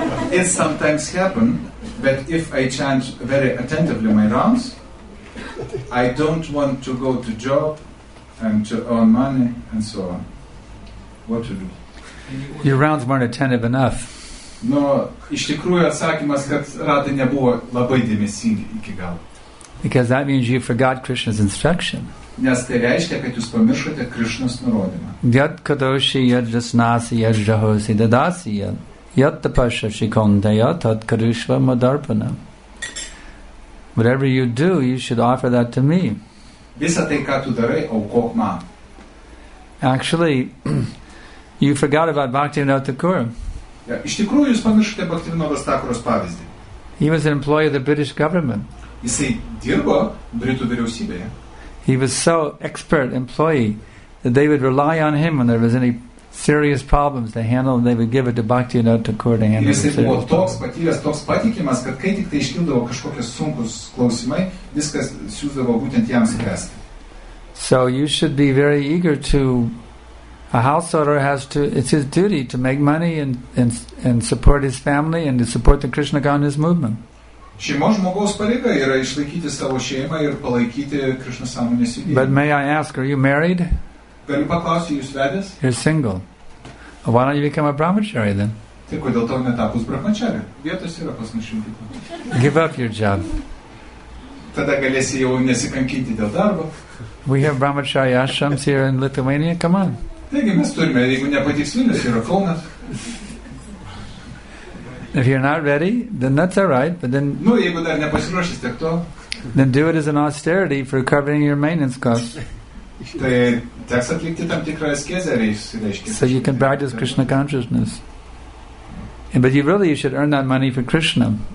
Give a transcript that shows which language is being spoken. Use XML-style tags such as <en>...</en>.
<en>It sometimes happens that if I chant very attentively my rounds, I don't want to go to job and to earn money and so on. What to do? Your rounds weren't attentive enough.</en> <lt>No, iš tikrųjų atsakymas, kad ratai nebuvo labai dėmesingi iki galo.</lt> <en>Because that means you forgot Krishna's instruction.</en> <lt>Nes tai reiškia, kad jūs pamiršote Krishna's nurodymą.</lt> <sa>Yat kadoshi yat jasnasi yat jahosi dadasi yat yat tapasya shikondaya tat karishva madarpana.</sa> <en>Whatever you do, you should offer that to me.</en> <lt>Visa tai, ką tu darai, aukok man.</lt> <en>Actually, you forgot about Bhaktivinoda Thakura.</en> <lt>Iš tikrųjų, jūs pamiršote Bhaktivinoda Thakuros pavyzdį.</lt> <en>He was an employee of the British government.</en> <lt>Jisai dirbo Britų vyriausybėje.</lt> <en>He was so expert employee that they would rely on him when there was any serious problems to handle, they would give it to Bhaktivinoda Thakur to handle.</en> <lt>Jisai buvo toks patyręs, toks patikimas, kad kai tik tai iškildavo kažkokie sunkūs klausimai, viskas siūsdavo būtent jam spręsti.</lt> <en>So you should be very eager to. A householder has to, it's his duty to make money and support his family and to support the Krishna Consciousness movement.</en> <lt>Šeimos žmogaus pareiga yra išlaikyti savo šeimą ir palaikyti Krishna Sąmonės judėjimą.</lt> <en>But may I ask, are you married?</en> <lt>Galiu paklausti, jūs vedęs?</lt> <en>You're single. Why don't you become a brahmachari then?</en> <lt>Tai kodėl tau netapus brahmachari? Vietos yra pas mus šimtai.</lt> <en>Give up your job.</en> <lt>Tada galėsi jau nesikankinti dėl darbo.</lt> <en>We have brahmachari ashrams here in Lithuania, come on.</en> <lt>Taigi mes turime, jeigu nepatiks Vilnius, yra Kaunas.</lt> <en>If you're not ready, then that's all right, but then...</en> <lt>Nu, jeigu dar nepasiruošis, tiek to.</lt> <en>Then do it as an austerity for covering your maintenance costs.</en> <lt>Tai teks atlikti tam tikrą askezę, reiškia.</lt> <en>So you can practice Krishna consciousness. And, but you really, you should earn that money for Krishna.</en>